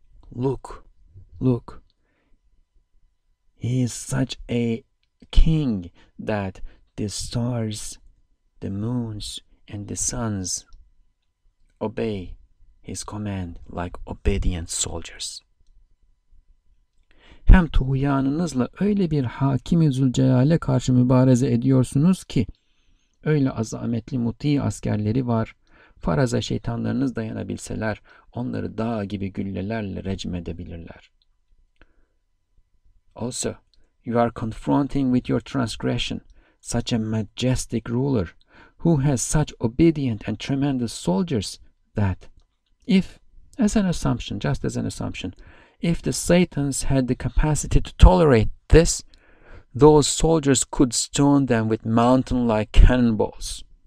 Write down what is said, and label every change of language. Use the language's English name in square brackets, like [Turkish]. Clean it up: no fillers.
[English] Look, he is such a king that the stars, the moons, and the suns obey his command like obedient soldiers. [Turkish] Hem tuğyanınızla öyle bir hakim-i zülcelale karşı mübareze ediyorsunuz ki, öyle azametli muti askerleri var, faraza şeytanlarınız dayanabilseler, onları dağ gibi güllelerle rejim edebilirler. [English] Also, you are confronting with your transgression such a majestic ruler who has such obedient and tremendous soldiers that if, as an assumption, just as an assumption, if the Satans had the capacity to tolerate this, those soldiers could stone them with mountain-like cannonballs.